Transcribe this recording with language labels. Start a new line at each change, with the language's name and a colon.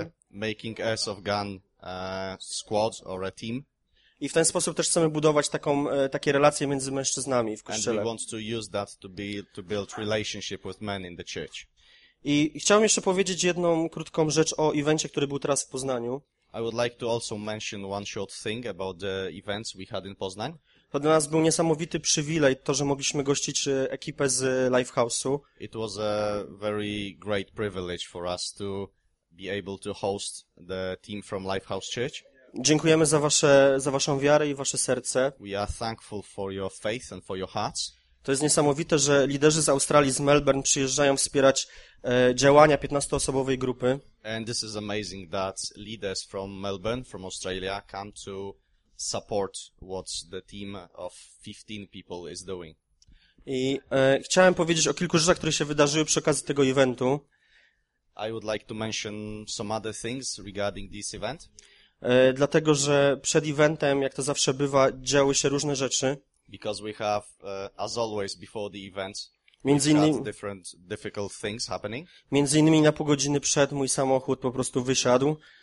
English: Making Airs of Gun squad or a team.
Polish: I w ten sposób też chcemy budować takie relacje między mężczyznami w kościele.
English: And we want to use that to build relationship with men in the church.
Polish: I chciałem jeszcze powiedzieć jedną krótką rzecz o evencie, który był teraz w Poznaniu.
English: I would like to also mention one short thing about the events we had in Poznań.
Polish: To dla nas był niesamowity przywilej, to, że mogliśmy gościć ekipę z Lifehouse'u.
English: It was a very great privilege for us to be able to host the team from Lifehouse Church.
Polish: Dziękujemy za waszą wiarę i wasze serce.
English: We are thankful for your faith and for your hearts.
Polish: To jest niesamowite, że liderzy z Australii, z Melbourne przyjeżdżają wspierać działania 15-osobowej grupy.
English: And this is amazing that leaders from Melbourne, from Australia, come to support what the team of 15 people is doing.
Polish: I chciałem powiedzieć o kilku rzeczach, które się wydarzyły przy okazji tego eventu.
English: I would like to mention some other things regarding this event.
Polish: Dlatego, że przed eventem, jak to zawsze bywa, działy się różne rzeczy.
English: Because we have, as always, before the event, we've had different difficult things happening.
Polish: Między innymi na pół godziny przed mój samochód po prostu wysiadł.